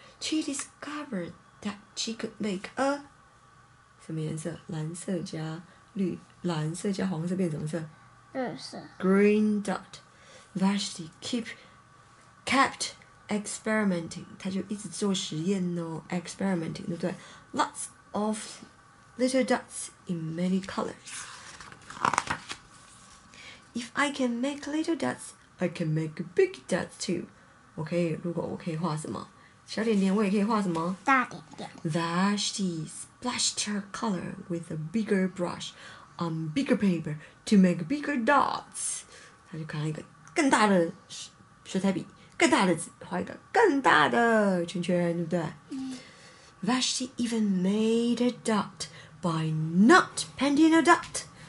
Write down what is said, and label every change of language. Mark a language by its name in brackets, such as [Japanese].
[English] She discovered that she could make a [Chinese] 什么颜色？蓝色加绿，蓝色加黄色变什么色？绿色。 [English] Green dot。 Vashti kept experimenting， [Chinese] 她就一直做实验哦 [English] ，experimenting [Chinese] 对不对 [English] ？Lots of little dots in many colors。 If I can make little dots, I can make big dots too. [Chinese] 我可以，如果我可以画什么小点点，我也可以画什么大点点。 [English] Vashti splashed her color with a bigger brush on bigger paper to make bigger dots. [Chinese] 他就看了一个更大的水彩笔，更大的纸，画一个更大的圈圈，对不对？ [English] Vashti even made a dot by not painting a dot.